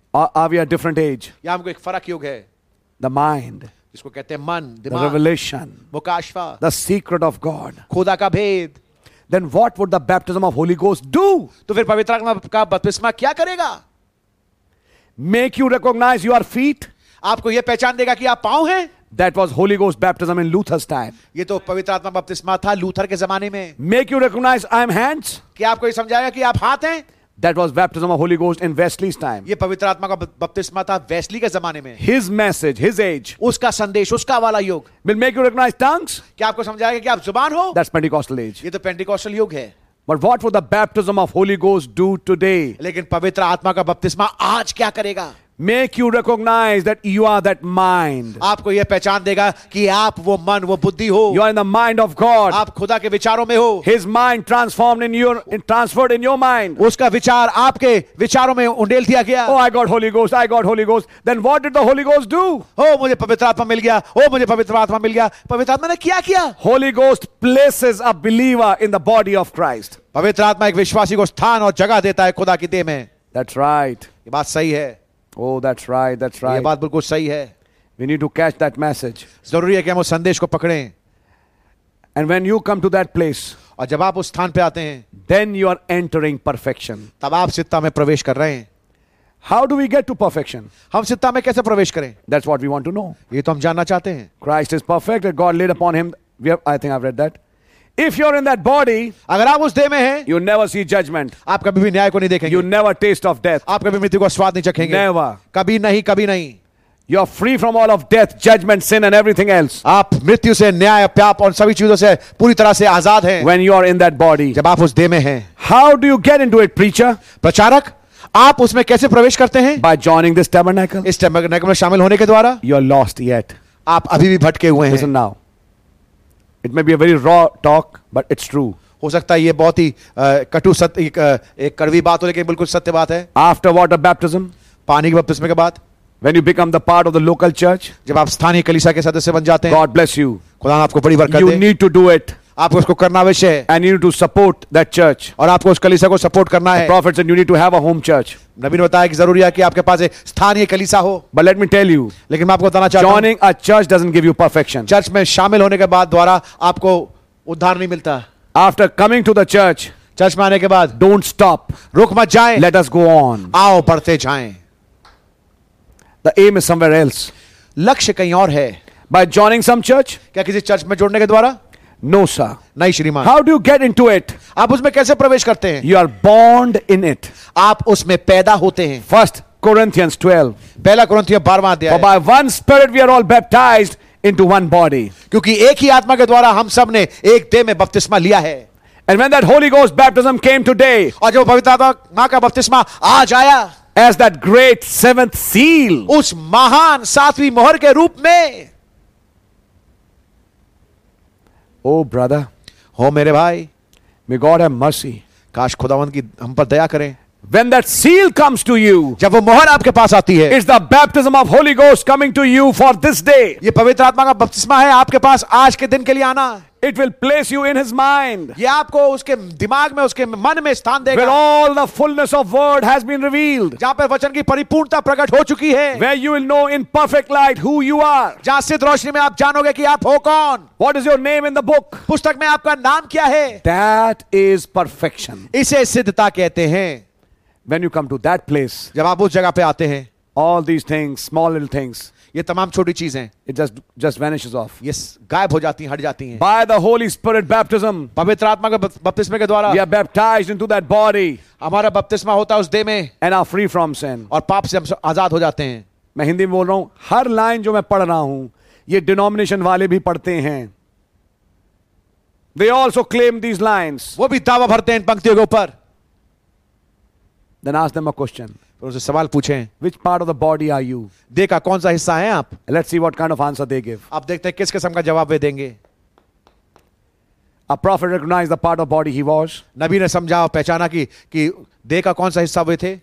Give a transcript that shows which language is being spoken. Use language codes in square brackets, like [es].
[en] Or are we a different age? [hi] या हम को एक फर्क युग है? [en] The mind. [hi] जिसको कहते हैं मन, दिमाग. [en] The revelation. [hi] मुकाशफा. [en] The secret of God. [hi] खुदा का भेद. [en] Then what would the baptism of Holy Ghost do? [hi] तो फिर पवित्र आत्मा का बपतिस्मा क्या करेगा? [en] Make you recognize you are feet? [hi] आपको यह पहचान देगा कि आप पांव हैं? [en] That was Holy Ghost baptism in Luther's time. [hi] ये तो पवित्र आत्मा बपतिस्मा था लूथर के जमाने में. [en] Make you recognize I am hands? [hi] कि आपको यह समझाएगा कि आप हाथ हैं? [en] That was baptism of Holy Ghost in Wesley's time. [hi] ये पवित्र आत्मा का बपतिस्मा था वेस्ली के जमाने में. [en] His message, his age. [hi] उसका संदेश, उसका वाला युग. [en] Will make you recognize tongues? [hi] क्या आपको समझाएगा कि आप जुबान हो? [en] That's Pentecostal age. [hi] ये तो Pentecostal युग है. [en] But what would the baptism of Holy Ghost do today? [hi] लेकिन पवित्र आत्मा का बपतिस्मा आज क्या करेगा? [en] Make you recognize that you are that mind. [hi] आपको यह पहचान देगा कि आप वो मन, वो बुद्धि हो. [en] You are in the mind of God. [hi] आप खुदा के विचारों में हो. [en] His mind transformed in your, transferred in your mind. [hi] उसका विचार आपके विचारों में उंडेल दिया गया. [en] Oh, I got Holy Ghost. I got Holy Ghost. Then what did the Holy Ghost do? [hi] Oh, मुझे पवित्र आत्मा मिल गया. Oh, मुझे पवित्र आत्मा मिल गया. पवित्र आत्मा ने क्या किया? [en] Holy Ghost places a believer in the body of Christ. [hi] पवित्र आत्मा एक विश्वासी को स्थान और जगह देता है खुदा की देह में. [en] That's right. [hi] ये बात सही है. [en] Oh, that's right, that's right. [hi] ये बात बिल्कुल सही है. [en] We need to catch that message. [hi] जरूरी है कि हम उस संदेश को पकड़ें. [en] And when you come to that place, [hi] और जब आप उस स्थान पे आते हैं, [en] then you are entering perfection. [hi] तब आप सिद्धता में प्रवेश कर रहे हैं. [en] How do we get to perfection? [hi] हम सिद्धता में कैसे प्रवेश करें? [en] That's what we want to know. [hi] ये तो हम जानना चाहते हैं. [en] Christ is perfect. God laid upon him. I think I've read that. If you're in that body, [hi] अगर आप उस देह में हैं, [en] you never see judgment. [hi] आप कभी भी न्याय को नहीं देखेंगे. [en] You never taste of death. [hi] आप कभी मृत्यु का स्वाद नहीं चखेंगे. [en] Never. [hi] कभी नहीं, कभी नहीं. [en] You are free from all of death, judgment, sin and everything else. [hi] आप मृत्यु से, न्याय, पाप और सभी चीजों से पूरी तरह से आजाद हैं. [en] When you are in that body, [hi] जब आप उस देह में हैं. [en] How do you get into it, preacher? [hi] प्रचारक, आप उसमें कैसे प्रवेश करते हैं? [en] By joining this tabernacle. [hi] इस tabernacle में शामिल होने के द्वारा. [en] You are lost yet. [hi] आप अभी भी भटके हुए हैं. [en] Listen now. It may be a very raw talk, but it's true. [hi] हो सकता है ये बहुत ही कटु सत्य, एक कड़वी बात हो, लेकिन बिल्कुल सत्य बात है. [en] After water baptism, [hi] पानी के बपतिस्मे के बाद, [en] when you become the part of the local church, [hi] जब आप स्थानीय कलीसिया के सदस्य बन जाते हैं, [en] God bless you. [hi] खुदा आपको बड़ी बरकत [en] दे. You need to do it. [hi] आपको उसको करना अवश्य है. [en] And you need to support that church. [hi] और आपको उस कलीसिया को सपोर्ट करना है. [en] The prophet said you need to have a home church. [hi] नबी ने बताया कि जरूरी है कि आपके पास एक स्थानीय कलीसिया हो. [en] But let me tell you. [hi] लेकिन मैं आपको बताना चाहता हूं. [en] Joining a church doesn't give you perfection. [hi] Church में शामिल होने के बाद द्वारा आपको उद्धार नहीं मिलता. [en] After coming to the church, [hi] church में आने के बाद [en] don't stop [hi] रुक मत जाए [en] let us go on [hi] आओ बढ़ते जाए [en] the aim is somewhere else [hi] लक्ष्य कहीं और है [en] by joining some church [hi] क्या किसी चर्च में जोड़ने के द्वारा [en] no sir [hi] नहीं श्रीमान [en] how do you get into it [hi] आप उसमें कैसे प्रवेश करते हैं [en] you are bond in it [hi] आप उसमें पैदा होते हैं [en] First Corinthians 12. [hi] पहला कुरिन्थियों 12वां अध्याय. [en] For by one spirit we are all baptized into one body. [hi] क्योंकि एक ही आत्मा के द्वारा हम सब ने एक देह में बपतिस्मा लिया है. [en] And when that Holy Ghost baptism came today. [hi] और जब पवित्र आत्मा का बपतिस्मा आज आया. [en] As that great seventh seal. [hi] उस महान सातवीं मोहर के रूप में. [en] Oh brother. [hi] हो मेरे भाई. [en] May God have mercy. [hi] काश खुदावंद की हम पर दया करें. [en] When that seal comes to you, [hi] जब वो मोहर आपके पास आती है, [en] it's the baptism of Holy Ghost coming to you for this day. [hi] ये पवित्र आत्मा का बपतिस्मा है आपके पास आज के दिन के लिए आना. [en] It will place you in His mind. [hi] ये आपको उसके दिमाग में, उसके मन में स्थान देगा. [en] Where all the fullness of word has been revealed. [hi] जहाँ पर वचन की परिपूर्णता प्रकट हो चुकी है. [en] Where you will know in perfect light who you are. [hi] जहाँ सिद्ध रोशनी में आप जानोगे कि आप हो कौन. [en] What is your name in the book? [hi] पुस्तक में आपका नाम क्या है? [en] That is perfection. [hi] इसे सिद्धता कहते हैं. [en] When you come to that place, [hi] जब आप उस जगह पे आते हैं, [en] all these things, small little things, [hi] ये तमाम छोटी चीजें, [en] it just vanishes off. [hi] Yes, गायब हो जाती हैं, हट जाती हैं. [en] By the Holy Spirit baptism, [hi] पवित्र आत्मा के बपतिस्मे के द्वारा, [en] we are baptized into that body. [hi] हमारा बपतिस्मा होता है उस देह में, [en] and are free from sin. [hi] और पाप से हम आजाद हो जाते हैं. मैं हिंदी में बोल रहा हूँ. हर लाइन जो मैं पढ़ रहा हूँ, ये डिनोमिनेशन वाले भी पढ़ते हैं. [en] They also claim these lines. [hi] वो भी दावा भरते हैं इन पंक्तियों के ऊपर. [en] Then ask them a question. [hi] उसे सवाल पूछे. [en] Which part of the body are you? [hi] देखा कौन सा हिस्सा है आप? [en] Let's see what kind of answer they give. [hi] आप देखते हैं किस किस्म का जवाब वे देंगे. [en] A prophet recognized the part of body he was. [hi] नबी ने समझा और पहचाना कि देखा कौन सा हिस्सा वे थे.